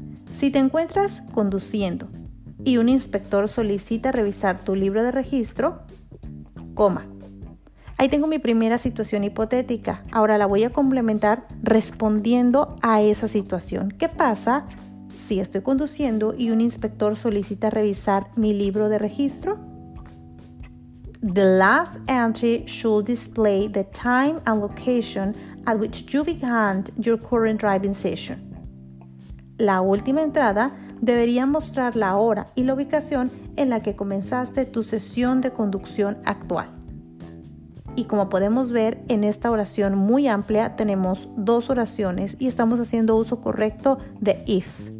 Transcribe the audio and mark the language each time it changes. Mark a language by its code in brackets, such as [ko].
[es] Si te encuentras conduciendo y un inspector solicita revisar tu libro de registro, coma. Ahí tengo mi primera situación hipotética. Ahora la voy a complementar respondiendo a esa situación. ¿Qué pasa si estoy conduciendo y un inspector solicita revisar mi libro de registro? [en] The last entry should display the time and location at which you began your current driving session. [es] La última entrada debería mostrar la hora y la ubicación en la que comenzaste tu sesión de conducción actual. Y como podemos ver en esta oración muy amplia, tenemos dos oraciones y estamos haciendo uso correcto de if.